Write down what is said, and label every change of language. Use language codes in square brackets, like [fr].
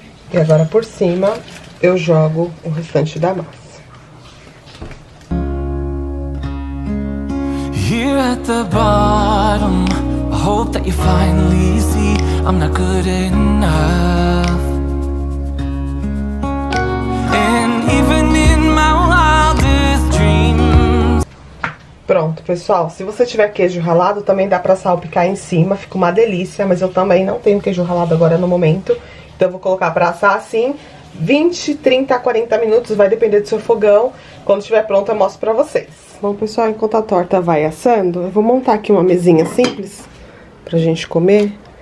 [pt] E agora por cima eu jogo o restante da massa. [en] Here at the bottom, I hope that you finally see I'm not good enough. And even in my wildest dreams. [pt] Pronto, pessoal. Se você tiver queijo ralado, também dá pra salpicar em cima. Fica uma delícia, mas eu também não tenho queijo ralado agora no momento. Então eu vou colocar pra assar assim, 20, 30, 40 minutos, vai depender do seu fogão. Quando estiver pronto, eu mostro pra vocês. Bom, pessoal, enquanto a torta vai assando, eu vou montar aqui uma mesinha simples pra gente comer.